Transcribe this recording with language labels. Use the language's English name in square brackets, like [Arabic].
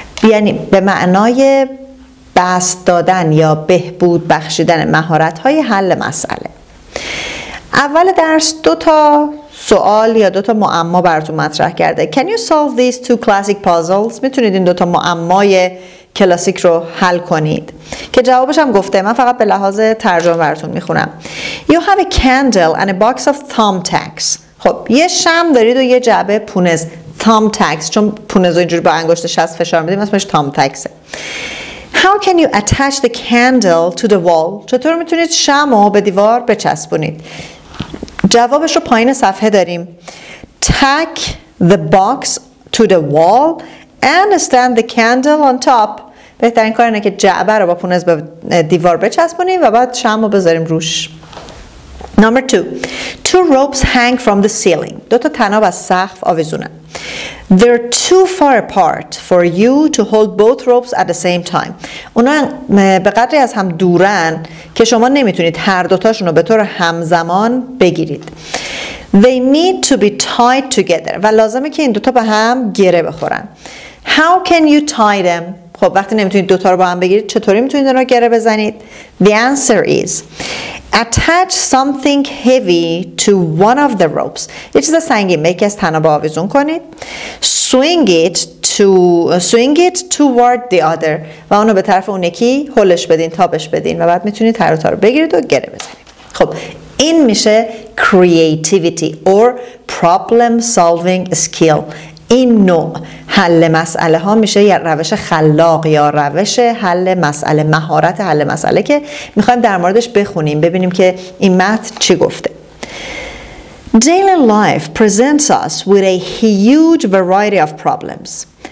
[Persian] یعنی به معنای بست دادن یا بهبود بخشیدن مهارت‌های حل مسئله. اول درس دو تا سوال یا دو تا معما براتون مطرح کرده. [English] Can you solve these two classic puzzles? [Persian] میتونید این دو تا معمای کلاسیک رو حل کنید؟ که جوابش هم گفته، من فقط به لحاظ ترجمه براتون میخونم. [English] You have a candle and a box of thumbtacks. [Persian] خب یه شمع دارید و یه جعبه پونز thumbtacks، چون پونز رو اینجوری با انگشت شست فشار میدیم اسمش thumbtacks. [English] How can you attach the candle to the wall؟ [Persian] چطور میتونید شمع رو به دیوار بچسبونید؟ جوابش رو پایین صفحه داریم. [English] Tack the box to the wall and stand the candle on top. [Persian] بهترین کار اینه که جعبه رو با پونز به دیوار بچسبونیم و بعد شمع رو بذاریم روش. [English] Number two. Two ropes hang from the ceiling. [Persian] دو تا طناب از سقف آویزونن. [English] They're too far apart for you to hold both ropes at the same time. [Persian] اونا به قدری از هم دورن که شما نمیتونید هر دوتاشون رو به طور همزمان بگیرید. [English] They need to be tied together. [Persian] و لازمه که این دوتا به هم گره بخورن. [English] How can you tie them? [Persian] خب وقتی نمیتونید دوتا رو با هم بگیرید چطوری میتونید اونا رو گره بزنید؟ [English] The answer is attach something heavy to one of the ropes. [Persian] یه چیز سنگی میکی از تنها با آویزون کنید. [English] Swing it toward the other. [Persian] و اونو به طرف اون یکی هلش بدین، تابش بدین و بعد میتونید هر دوتا رو بگیرید و گره بزنید. خب این میشه [English] creativity or problem solving skill. [Persian] این نوع حل مسئله ها میشه یا روش خلاق یا روش حل مسئله، مهارت حل مسئله که میخوایم در موردش بخونیم ببینیم که این متن چی گفته. [English] Daily life presents us with a huge variety of problems.